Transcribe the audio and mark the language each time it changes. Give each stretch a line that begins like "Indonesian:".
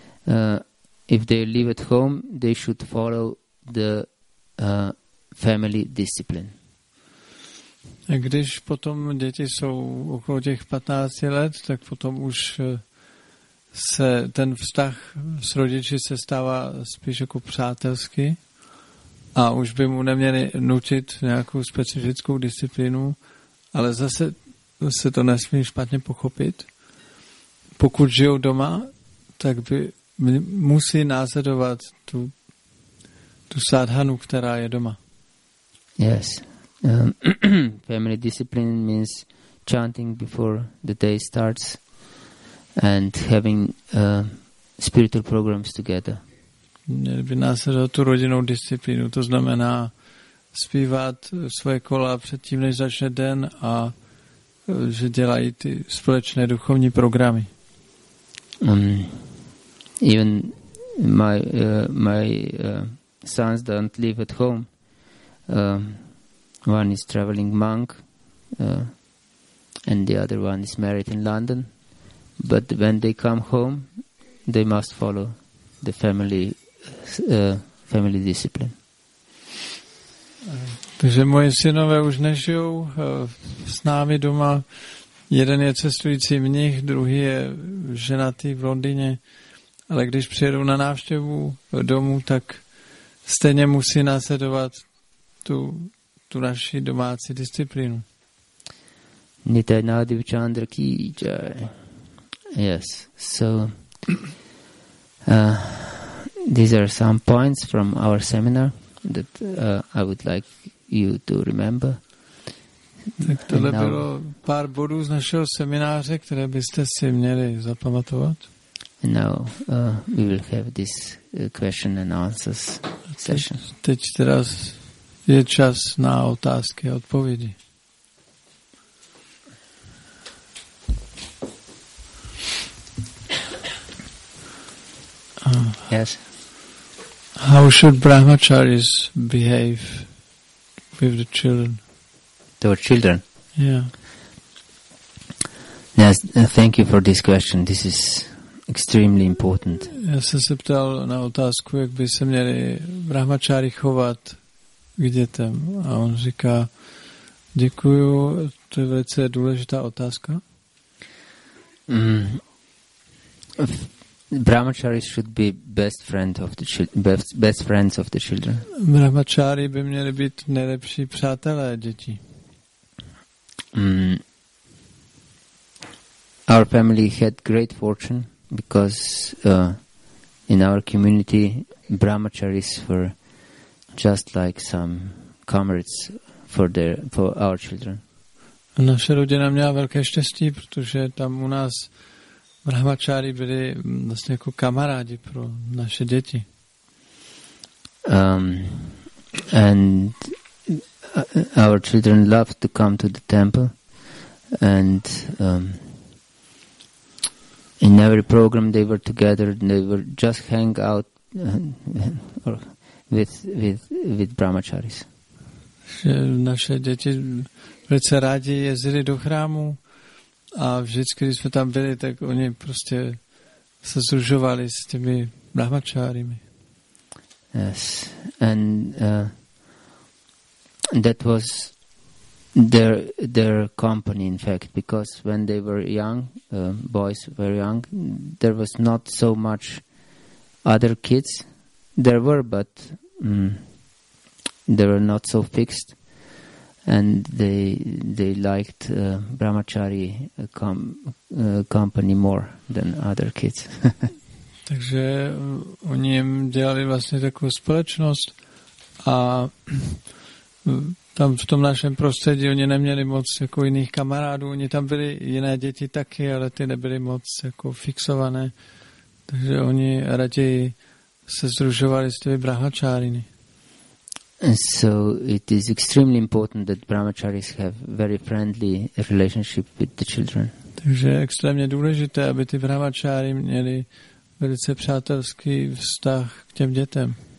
English: If they live at home, they should follow the family discipline.
Czech: A když potom děti jsou okolo těch 15 let, tak potom už se ten vztah s rodiči se stává spíš jako přátelský a už by mu neměli nutit nějakou specifickou disciplinu, ale zase se to nesmí špatně pochopit. Pokud žijou doma, tak by musí následovat tu sádhanu, která je doma.
English: Yes. Family discipline means chanting before the day starts and having spiritual programs together. Měli by následovat tu rodinnou disciplínu, to znamená zpívat svoje kola předtím, než začne den a že dělají ty společné duchovní programy. Even my sons don't live at home. One is traveling monk and the other one is married in London. But when they come home, they must follow the family discipline.
Czech: Takže moje synové už nežijou s námi doma. Jeden je cestující mnich, druhý je ženatý v Londýně. Ale když přijedou na návštěvu domů, tak stejně musí následovat tu naši domácí disciplínu.
English: Nitya Nadi Chandra
Hindi: ki jai.
English: Yes. So these are some points from our seminar that I would like you to remember.
Czech: Tak tohle now, bylo pár bodů z našeho semináře, které byste si měli zapamatovat.
English: Now we will have this question and answers session.
Czech: Teď teda je čas na otázky a odpovědi.
English: Yes. How should brahmacharis behave with the children? Their children. Yeah. Yes. Thank you for this question. This is extremely important.
Czech: Já jsem se ptal na otázku, jak by se měli brahmacháři chovat k dětem, a on říká: děkuju, to je velice důležitá otázka.
English: Brahmacharis should be best friend of the best friends of the children.
Czech: Brahmacháři by měli být nejlepší přátelé dětí.
English: Our family had great fortune because in our community brahmacharis were just like some comrades for our children.
Czech: Naše rodina měla velké štěstí, protože tam u nás brahmacháři byli vlastně jako kamarádi pro naše děti.
English: And our children love to come to the temple, and in every program they were together, they were just hang out with brahmacharis.
Czech: Naše děti velice rádi jezdili do chrámu. A vždycky, když jsme tam byli, tak oni prostě se sružovali s těmi brahmacháři.
English: Yes, and that was their company, in fact, because when they were young, boys were young, there was not so much other kids. There were, but they were not so fixed. And they liked brahmachari company more than other kids.
Czech: Takže oni jim dělali vlastně takovou společnost, a tam v tom našem prostředí oni neměli moc jako jiných kamarádů. Oni tam byli jiné děti taky, ale ty nebyly moc jako fixované. Takže oni raději se sdružovali s těmi brahmacháriny.
English: And so it is extremely important that brahmacharis have very friendly relationship with the children.
Czech: Takže je extrémně důležité, aby ty brahmacháři měli velice přátelský vztah k těm dětem.